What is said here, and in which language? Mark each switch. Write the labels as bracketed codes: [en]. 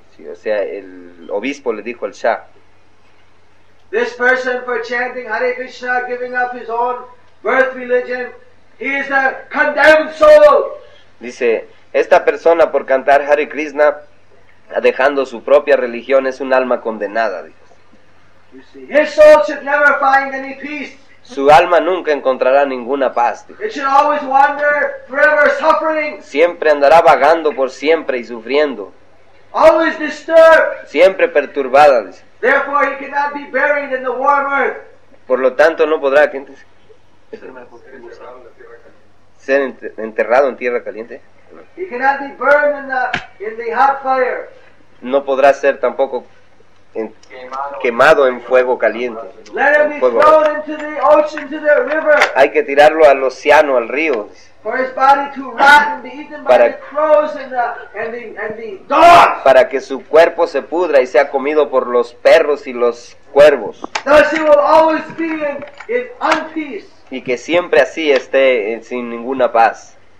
[es] O sea, el obispo le dijo al Shah, [en] this person for chanting Hare Krishna, giving up his own birth religion, he is a condemned soul. [es] Dice, esta persona por cantar Hare Krishna, dejando su propia religión, es un alma condenada. [en] You see, his soul should never find any peace. [es] Su alma nunca encontrará ninguna paz. [en] It should always wander, forever suffering. [es] Siempre andará vagando por siempre y sufriendo. [en] Always disturbed. [es] Siempre perturbada. Dice. [en] Therefore, he cannot be buried in the warm earth. [es] Por lo tanto, no podrá. ¿Qué entiendes? Ser enterrado en tierra caliente. [en] He cannot be burned in the hot fire. [es] No podrá ser tampoco quemado en fuego caliente. [en] Let him be fuego thrown into the ocean, to the river. [es] Hay que tirarlo al océano, al río. [en] For his body to rot and be eaten by the crows and the dogs. [es] Para que su cuerpo se pudra y sea comido por los perros y los cuervos. [en] Thus he will always be in unpeace. [es] Y que siempre así esté sin ninguna paz.